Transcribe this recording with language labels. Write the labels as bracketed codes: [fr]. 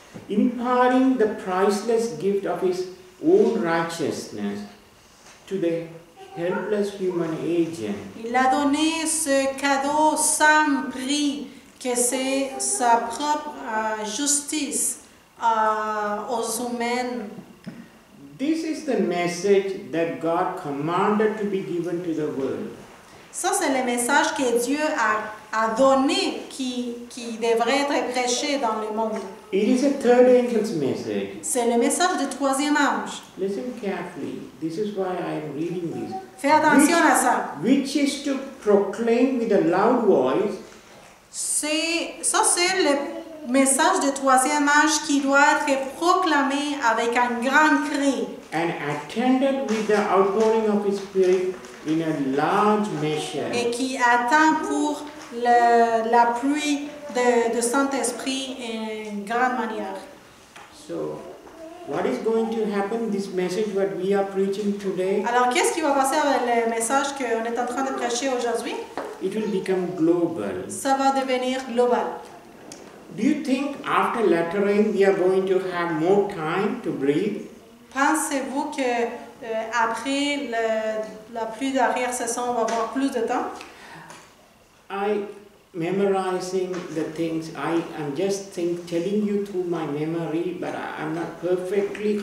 [en] Imparting the priceless gift of his own righteousness to the helpless human agent. [fr] Il a donné ce cadeau sans prix, que c'est sa propre justice aux humains. [en] This is the message that God commanded to be given to the world. [fr] Ça, c'est le message que Dieu a donné qui devrait être prêché dans le monde. [en] It is a third angel's message. [fr] C'est le message du troisième ange. [en] Listen carefully. This is why I am reading this. [fr] Fais attention [en] which, [fr] à ça. [en] Which is to proclaim with a loud voice. [fr] C'est le message du troisième ange qui doit être proclamé avec un grand cri. [en] And attended with the outpouring of his spirit. In a large measure. [fr] Et qui attend pour la pluie de Saint-Esprit en grande manière. [en] So, what is going to happen this message that we are preaching today? [fr] Alors qu'est-ce qui va passer avec le message qu'on est en train de prêcher aujourd'hui? [en] It will become global. [fr] Ça va devenir global. [en] Do you think after lettering we are going to have more time to breathe? [fr] Pensez-vous que après la pluie d'arrière saison, on va avoir plus de temps. [en] I memorizing the things. I am just telling you through my memory, but I'm not perfectly.